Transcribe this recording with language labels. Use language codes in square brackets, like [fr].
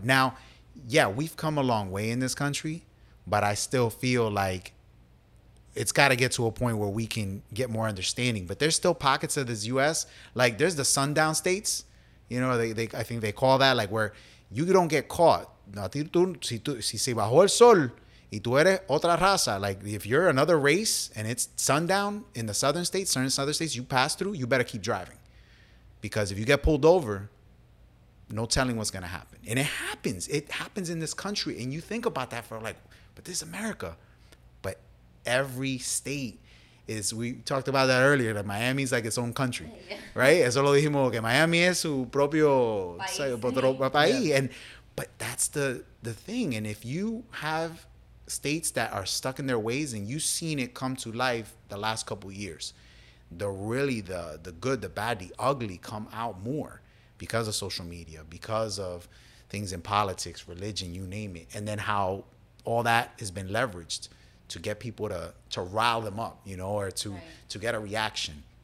[en] Now, yeah, we've come a long way in this country, but I still feel like it's got to get to a point where we can get more understanding. But there's still pockets of this U.S. Like, there's the sundown states, you know, they I think they call that, like, where you don't get caught. [es] Si se bajó el sol y tú eres otra raza. [en] Like, if you're another race and it's sundown in the southern states, certain southern states you pass through, you better keep driving. Because if you get pulled over, no telling what's going to happen. And it happens. It happens in this country. And you think about that for, like, but this is America. Every state is, we talked about that earlier, that Miami is like its own country, yeah. Right? [es] Eso lo dijimos, que Miami es su propio país. [en] And but that's the thing. And if you have states that are stuck in their ways, and you've seen it come to life the last couple of years, the good, the bad, the ugly come out more because of social media, because of things in politics, religion, you name it, and then how all that has been leveraged to get people to rile them up, you know, or to get a reaction.